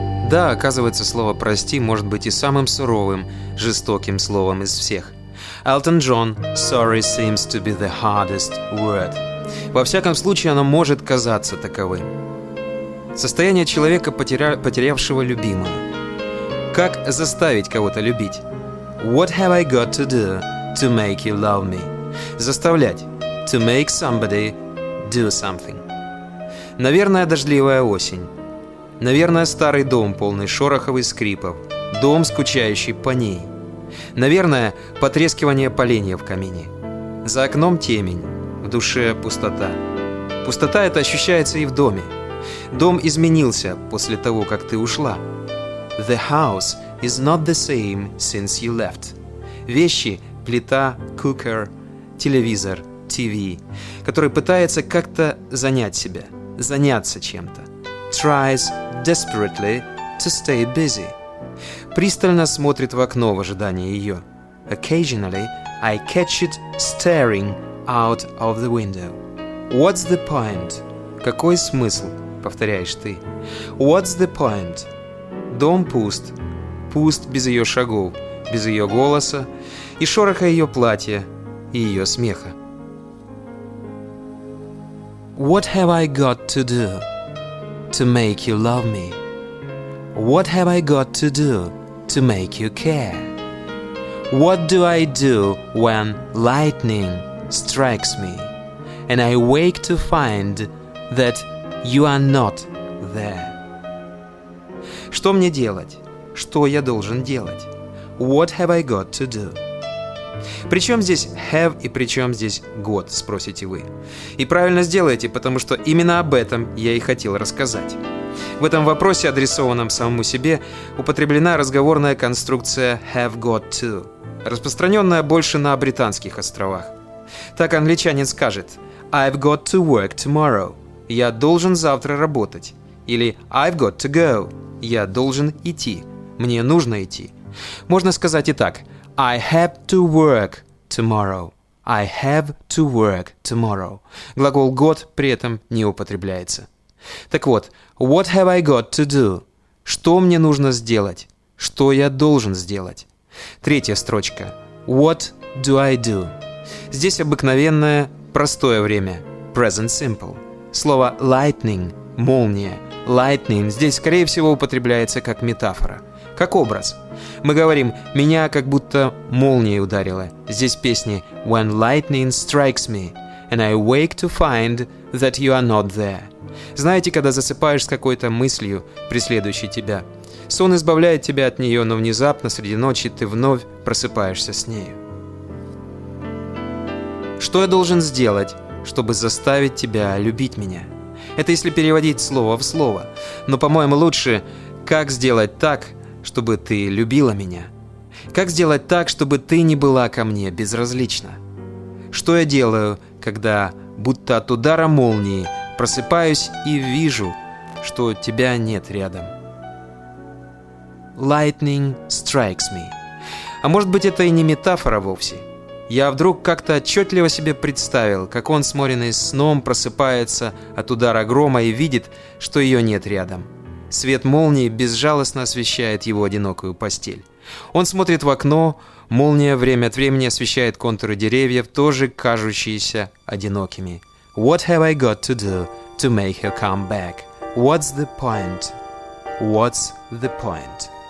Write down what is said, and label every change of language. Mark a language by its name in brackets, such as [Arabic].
[Russian] Да, оказывается, слово «прости» может быть и самым суровым, жестоким словом из всех. [English] Элтон Джон, «Sorry seems to be the hardest word». [Russian] Во всяком случае, оно может казаться таковым. Состояние человека, потерявшего любимого. Как заставить кого-то любить? [English] What have I got to do to make you love me? [Russian] Заставлять. [English] To make somebody do something. [Russian] Наверное, дождливая осень. Наверное, старый дом, полный шорохов и скрипов. Дом, скучающий по ней. Наверное, потрескивание поленья в камине. За окном темень, в душе пустота. Пустота эта ощущается и в доме. Дом изменился после того, как ты ушла. [English] The house is not the same since you left. [Russian] Вещи, плита, cooker, телевизор, TV, который пытается как-то занять себя, заняться чем-то. [English] Tries desperately to stay busy. [Russian] Пристально смотрит в окно в ожидании ее. [English] Occasionally I catch it staring out of the window. What's the point? [Russian] Какой смысл? Повторяешь ты. [English] What's the point? [Russian] Дом пуст. Пуст без ее шагов, без ее голоса и шороха ее платья и ее смеха. [English] What have I got to do to make you love me? What have I got to do to make you care? What do I do when lightning strikes me and I wake to find that you are not there? [Russian] Что мне делать? Что я должен делать? [English] What have I got to do? [Russian] При чем здесь have и при чем здесь got, спросите вы. И правильно сделаете, потому что именно об этом я и хотел рассказать. В этом вопросе, адресованном самому себе, употреблена разговорная конструкция have got to, распространенная больше на британских островах. Так англичанин скажет [English] I've got to work tomorrow. [Russian] Я должен завтра работать. Или [English] I've got to go. [Russian] Я должен идти. Мне нужно идти. Можно сказать и так. [English] I have to work tomorrow. I have to work tomorrow. [Russian] Глагол got при этом не употребляется. Так вот, [English] what have I got to do? [Russian] Что мне нужно сделать? Что я должен сделать? Третья строчка. [English] What do I do? [Russian] Здесь обыкновенное простое время. [English] Present simple. [Russian] Слово lightning – молния. Lightning здесь, скорее всего, употребляется как метафора. Как образ. Мы говорим «меня как будто молнией ударило». Здесь песни [English] «When lightning strikes me, and I wake to find that you are not there». [Russian] Знаете, когда засыпаешь с какой-то мыслью, преследующей тебя? Сон избавляет тебя от нее, но внезапно, среди ночи, ты вновь просыпаешься с нею. Что я должен сделать, чтобы заставить тебя любить меня? Это если переводить слово в слово. Но, по-моему, лучше «как сделать так», чтобы ты любила меня? Как сделать так, чтобы ты не была ко мне безразлична? Что я делаю, когда будто от удара молнии просыпаюсь и вижу, что тебя нет рядом? [English] Lightning strikes me. [Russian] А может быть, это и не метафора вовсе? Я вдруг как-то отчетливо себе представил, как он, сморенный сном, просыпается от удара грома и видит, что ее нет рядом. Свет молнии безжалостно освещает его одинокую постель. Он смотрит в окно, молния время от времени освещает контуры деревьев, тоже кажущиеся одинокими. [English] What have I got to do to make her come back? What's the point? What's the point?